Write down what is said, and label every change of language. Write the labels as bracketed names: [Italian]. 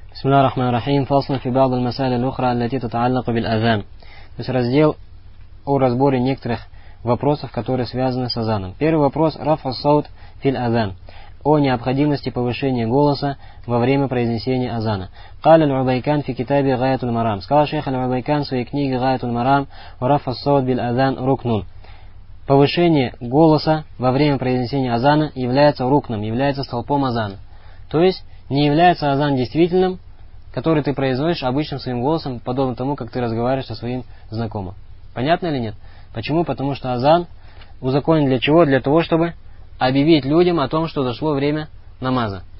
[Arabic] بسم الله الرحمن الرحيم فصل في بعض المسائل الأخرى التي تتعلق بالأذان. [Russian] То есть раздел о разборе некоторых вопросов, которые связаны с азаном. Первый вопрос [Arabic] رفع الصوت في الأذان. [Russian] О необходимости повышения голоса во время произнесения азана. [Arabic] قال العبيكان في كتابه غاية المرام. [Russian] Сказал шейх [Arabic] العبيكان [Russian] в своей книге [Arabic] غاية المرام ورفع الصوت بالأذان ركن. [Russian] Повышение голоса во время произнесения азана является рукном, является столпом азана. То есть не является азан действительным, который ты произносишь обычным своим голосом, подобно тому, как ты разговариваешь со своим знакомым. Понятно или нет? Почему? Потому что азан узаконен для чего? Для того, чтобы объявить людям о том, что дошло время намаза.